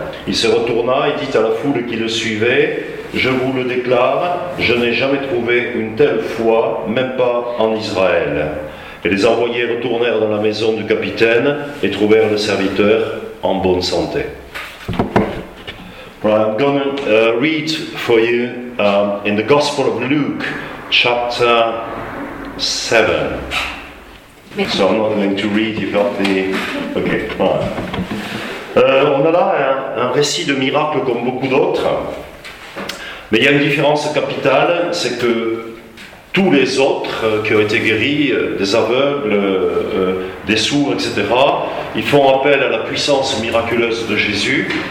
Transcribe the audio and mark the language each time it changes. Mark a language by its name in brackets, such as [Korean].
[French] Il se retourna et dit à la foule qui le suivait, « Je vous le déclare, je n'ai jamais trouvé une telle foi, même pas en Israël. » Et les envoyés retournèrent dans la maison du capitaine et trouvèrent le serviteur en bonne santé. [English] Well, I'm going to read for you in the Gospel of Luke, chapter 7. So I'm not going to read, you've got the... Okay, fine. [French] On a là un récit de miracle comme beaucoup d'autres. Mais il y a une différence capitale, c'est que tous les autres qui ont été guéris, des aveugles, des sourds, etc., ils font appel à la puissance miraculeuse de Jésus.